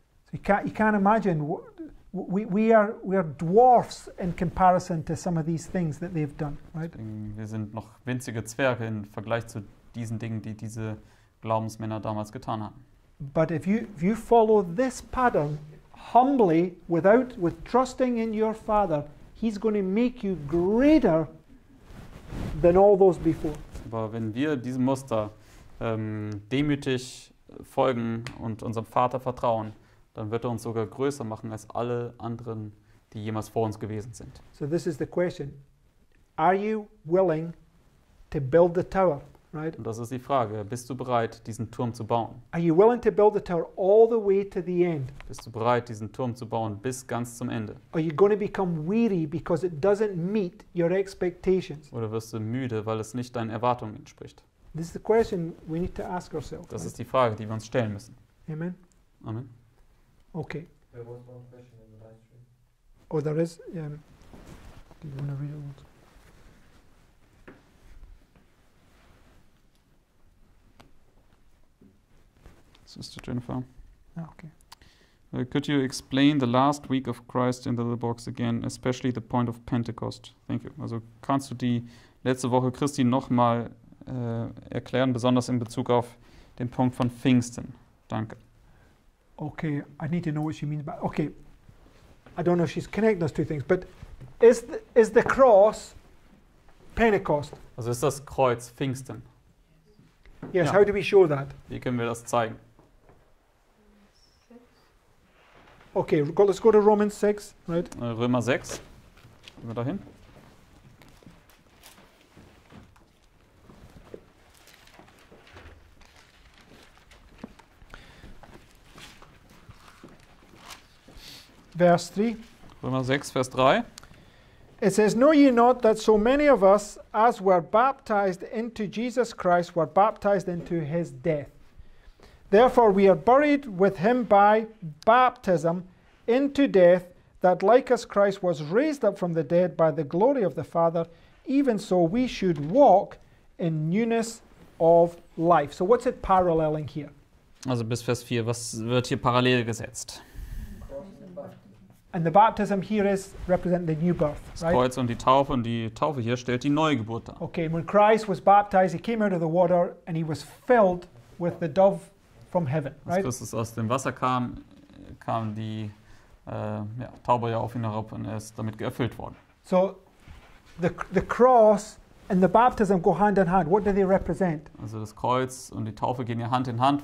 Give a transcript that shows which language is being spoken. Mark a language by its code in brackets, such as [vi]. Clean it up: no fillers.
[en] So you can't imagine we are dwarfs in comparison to some of these things that they've done, right? [de] Wir sind noch winzige Zwerge im Vergleich zu diesen Dingen, die diese Glaubensmänner damals getan haben. [en] But if you follow this pattern humbly, with trusting in your Father, he's going to make you greater than all those before. [de] Aber wenn wir diesem Muster demütig folgen und unserem Vater vertrauen, dann wird er uns sogar größer machen als alle anderen, die jemals vor uns gewesen sind. [en] So this is the question. Are you willing to build the tower? Right. [de] Und das ist die Frage, bist du bereit, diesen Turm zu bauen? [en] Are you willing to build the tower all the way to the end? [de] Bist du bereit, diesen Turm zu bauen bis ganz zum Ende? [en] Are you going to become weary because it doesn't meet your expectations? [de] Oder wirst du müde, weil es nicht deinen Erwartungen entspricht? [en] This is the question we need to ask ourselves. [de] Das ist die Frage, die wir uns stellen müssen. [en] Amen. [de] Amen. [en] Okay. There was one question in the live stream. Oh, there is. Do you want to read it once? Sister Jennifer. Okay. Could you explain the last week of Christ in the little box again, especially the point of Pentecost? Thank you. [de] Also kannst du die letzte Woche Christi nochmal erklären, besonders in Bezug auf den Punkt von Pfingsten? Danke. [en] Okay, I need to know what she means by. Okay. I don't know if she's connecting those two things, but is the cross Pentecost? [de] Also ist das Kreuz Pfingsten? [en] Yes, ja. How do we show that? [de] Wie können wir das zeigen? [en] Okay, let's go to Romans 6, right? [de] Römer 6. Gehen wir dahin. Vers 3. Römer 6, Vers 3. [en] It says, know ye not that so many of us as were baptized into Jesus Christ were baptized into his death. Therefore we are buried with him by baptism into death, that like as Christ was raised up from the dead by the glory of the Father, even so we should walk in newness of life. So what's it paralleling here? [de] Also bis Vers 4, was wird hier parallel gesetzt? [en] And the baptism here is represent the new birth, right? [de] Das Kreuz und die Taufe hier stellt die Neugeburt dar. [en] Okay, when Christ was baptized, he came out of the water and he was filled with the dove from heaven, right? [de] Als Christus aus dem Wasser kam die Taube ja auf ihn herab und er ist damit geerfüllt worden. [en] So, the cross and the baptism go hand in hand. What do they represent? [de] Also das Kreuz und die Taufe gehen ja Hand in Hand.